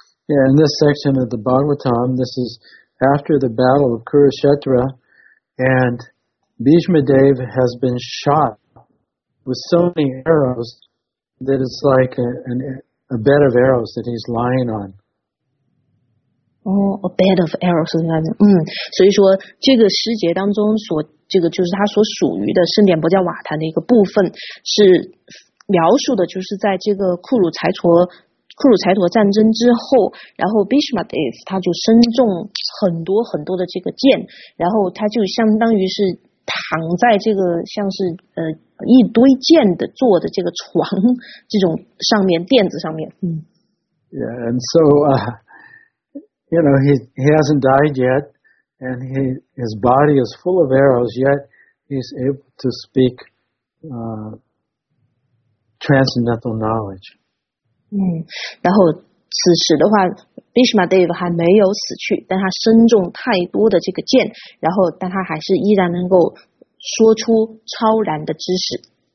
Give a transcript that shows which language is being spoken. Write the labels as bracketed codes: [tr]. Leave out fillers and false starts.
[en] Yeah, in this section of the Bhagavatam, this is after the battle of Kurukshetra, and Bhishma Dev has been shot with so many arrows that it's like a bed of arrows that he's lying on. Oh, a bed of arrows. [zh] 所以说这个诗节当中所这个就是他所属于的圣殿薄伽瓦坛的一个部分，是描述的就是在这个库鲁柴陀战争之后，然后 Bhishma Dev 他就身中很多很多的这个箭，然后他就相当于是躺在这个像是一堆箭的坐的这个床这种上面垫子上面。 [en] Yeah, and so, you know, he hasn't died yet, and his body is full of arrows, yet he's able to speak transcendental knowledge. [zh] 然后此时的话Bhishma Dev 还没有死去，但他身中太多的这个箭，然后但他还是依然能够说出超然的知识。